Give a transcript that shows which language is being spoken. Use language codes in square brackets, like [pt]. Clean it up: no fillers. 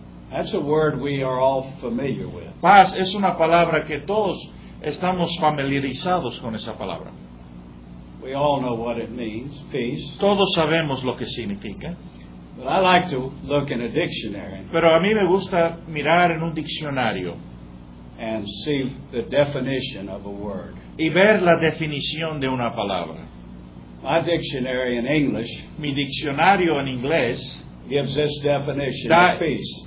[en] that's a word we are all familiar with. [es] Paz es una palabra que todos estamos familiarizados con esa palabra. [en] We all know what it means, peace. [es] Todos sabemos lo que significa. [en] But I like to look in a dictionary. [es] Pero a mí me gusta mirar en un diccionario. [en] And see the definition of a word. [es] Y ver la definición de una palabra. [en] My dictionary in English. [es] Mi diccionario en inglés. [en] Gives this definition [es] da [en] of peace.